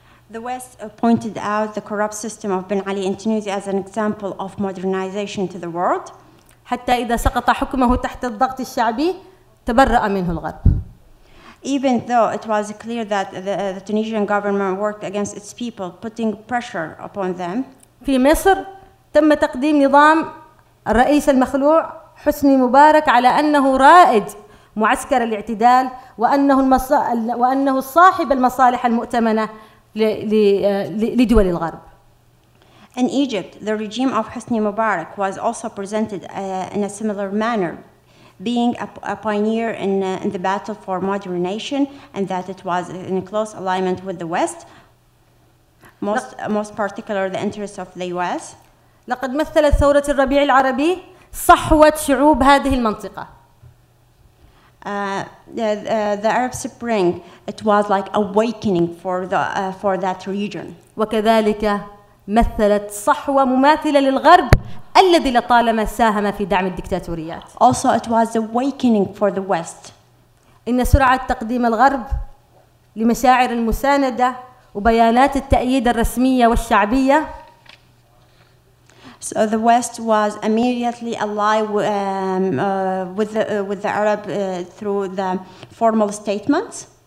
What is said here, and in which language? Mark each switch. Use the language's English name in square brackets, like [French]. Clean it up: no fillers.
[English] The West pointed out the corrupt system of Ben Ali in Tunisia as an example of modernization to the world. [Arabic] حتى إذا سقط حكمه تحت الضغط الشعبي تبرأ منه الغرب. [English] Even though it was clear that the Tunisian government worked against its people, putting pressure upon them. [Arabic] في مصر تم تقديم نظام الرئيس المخلوع حسني مبارك على أنه رائد معسكر الاعتدال وأنه صاحب المصالح المؤتمنة لدول الغرب. [English] In Egypt, the regime of Hosni Mubarak was also presented in a similar manner, being a pioneer in the battle for modernization, and that it was in close alignment with the West, most particular the interests of the US. [Arabic] لقد مثلت ثورة الربيع العربي صحوة شعوب هذه المنطقة. [English] The Arab Spring, it was like awakening for that region. [Arabic] وكذلك مثلت صحوة مماثلة للغرب الذي لطالما ساهم في دعم الدكتاتوريات. [English] Also, it was awakening for the West. [Arabic] إن سرعة تقديم الغرب لمشاعر المساندة وبيانات التأييد الرسمية والشعبية. [English] So the West was immediately aligned with the Arab through the formal statements.